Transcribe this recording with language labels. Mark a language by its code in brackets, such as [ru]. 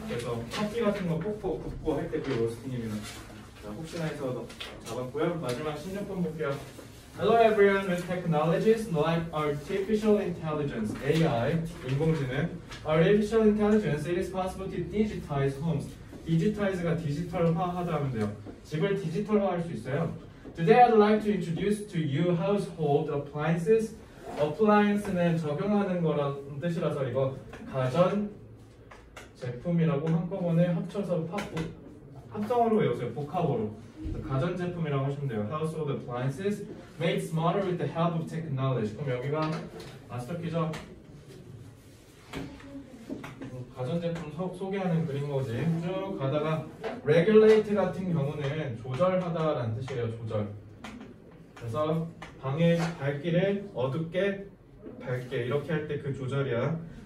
[ko] 그래서 커피 같은 거 폭포 굽고 할 때 그 로스팅입니다. 자, 혹시나 해서 잡았고요. 마지막 16번 볼게요. [en] Hello everyone. With technologies like artificial intelligence, AI, 인공지능, artificial intelligence, it is possible to digitize homes. [ko] 디지털이즈가 디지털화하다 하면 돼요. 집을 디지털화할 수 있어요. [en] Today I'd like to introduce to you household appliances. [ko] Appliance는 적용하는 거란 뜻이라서 이거 가전 제품이라고 한꺼번에 합쳐서 합성어로 외우세요. 복합어로. 가전 제품이라고 하시면 돼요. [en] Household appliances made smarter with the help of technology. [ko] 그럼 여기가 마스터키죠? 가전제품 소개하는 그림 거지. 쭉 가다가 regulate 같은 경우는 조절하다 라는 뜻이에요. 조절. 그래서 방의 밝기를 어둡게 밝게 이렇게 할 때 그 조절이야.